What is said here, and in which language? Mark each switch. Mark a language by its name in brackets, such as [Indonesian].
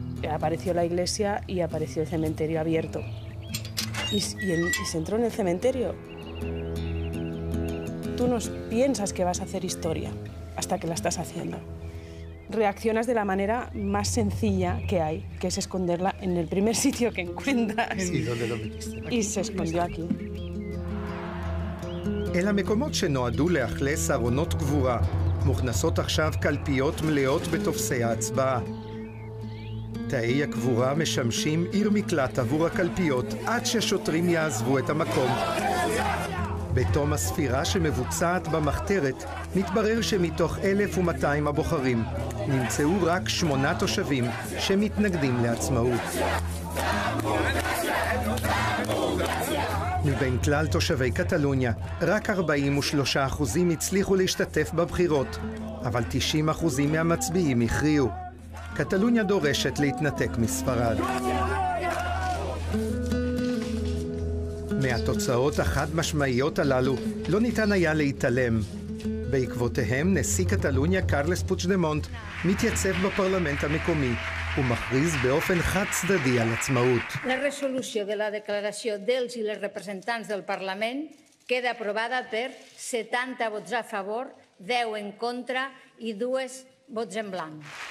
[Spanish] Apareció la iglesia y apareció el cementerio abierto. Y se entró en el cementerio. Tú no piensas que vas a hacer historia hasta que la estás haciendo. Reaccionas de la manera más sencilla que hay, que es esconderla en el primer sitio que encuentras. ¿Y dónde lo metiste? Aquí. Y se escondió aquí. [Hebrew] אל המקומות שנועדו לאכלס ארונות קבורה, מוכנסות עכשיו קלפיות מלאות בתופסי ההצבעה. תאי הקבורה משמשים עיר מקלט עבור הקלפיות עד ששוטרים יעזבו את המקום. בתום הספירה שמבוצעת במחתרת, מתברר שמתוך 1,200 הבוחרים נמצאו רק 8 תושבים שמתנגדים לעצמאות. מבין כלל תושבי קטלוניה, רק 43% הצליחו להשתתף בבחירות, אבל 90% מהמצביעים הכריעו. קטלוניה דורשת להתנתק מספרד. מהתוצאות החד משמעיות הללו לא ניתן היה להתעלם. בעקבותיהם נשיא קטלוניה קרלס פוצ'דמונט מתייצב בפרלמנט המקומי. הוא מכריז באופן חד צדדי על עצמאות. [Catalan] La resolució de la declaració dels i les representants del Parlament queda aprovada per 70 vots a favor, 10 en contra i 2 vots en blanc.